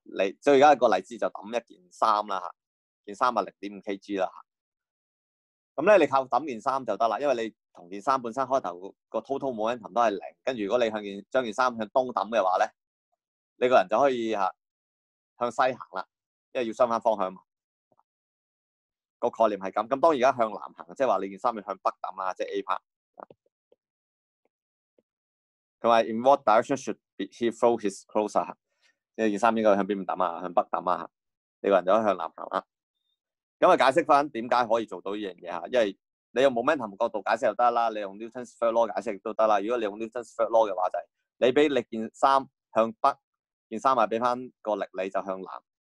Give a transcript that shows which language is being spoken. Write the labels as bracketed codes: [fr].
[yue] 你即系而家一个例子，就抌一件衫啦吓。件衫啊，0.5 kg 啦，咁咧你靠抌件衫就得啦，因为你同件衫本身开头个 total momentum 都系零，跟住如果你将件衫向东抌嘅话咧，你个人就可以吓向西行啦，因为要相反方向嘛，个概念系咁。咁当而家向南行，即系话你件衫要向北抌啦，即系 A part。佢话 [en] in what direction should he throw his clothes 啊？ [yue] 你件衫应该向边边抌啊？向北抌啊？你个人就可以向南行啦。咁啊，解釋翻點解可以做到呢樣嘢嚇？因為你用 momentum 角度解釋又得啦，你用 Newton's third law 解釋亦都得啦。如果你用 Newton's third law 嘅話，就係你俾力件衫向北，件衫咪俾翻個力你就向南。